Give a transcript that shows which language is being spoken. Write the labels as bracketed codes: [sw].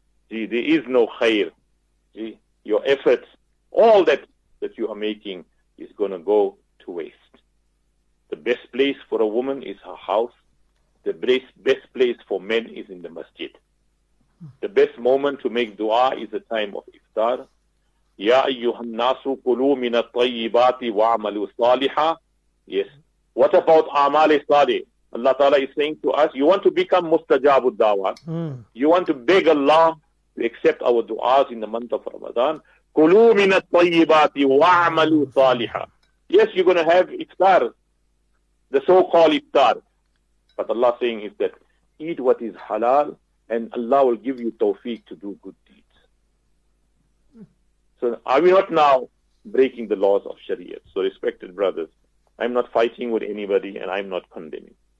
[en] See, there is no khair. See, your efforts, all that you are making is going to go to waste. The best place for a woman is her house. The best place for men is in the masjid. The best moment to make dua is the time of iftar. [ar] يا أيها الناس كلوا من الطيبات وعملوا صالحا. [en] Yes. What about [ar] أعمال صالح? [en] Allah Ta'ala is saying to us, you want to become [ar] مستجاب الدعوة. [en] You want to beg Allah to accept our du'as in the month of Ramadan. [ar] كلوا من الطيبات وعملوا صالحا. [en] Yes, you're going to have iftar, the so-called iftar. But Allah is saying is that eat what is halal and Allah will give you tawfiq to do good. So are we not now breaking the laws of Shariat? So respected brothers, I'm not fighting with anybody and I'm not condemning.